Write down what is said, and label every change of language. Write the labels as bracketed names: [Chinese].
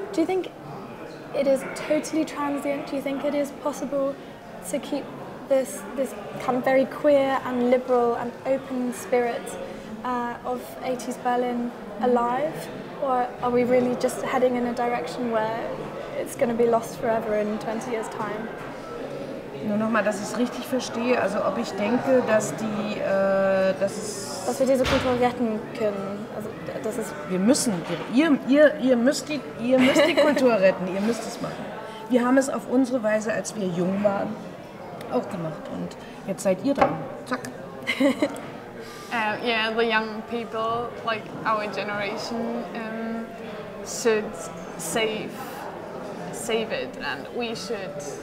[English] Do you think it is totally transient? Do you think it is possible to keep this kind of very queer and liberal and open spirit of 80s Berlin alive? Or are we really just heading in a direction where it's going to be lost forever in 20 years' time? [German] Nur nochmal, dass ich es richtig verstehe, also ob ich denke, dass die, dass wir diese Kultur retten können, also das ist... Wir müssen, ihr müsst die Kultur retten, ihr müsst es machen. Wir haben es auf unsere Weise, als wir jung waren, auch gemacht und jetzt seid ihr dran, zack. [English] Yeah, the young people, like our generation, should save it and we should...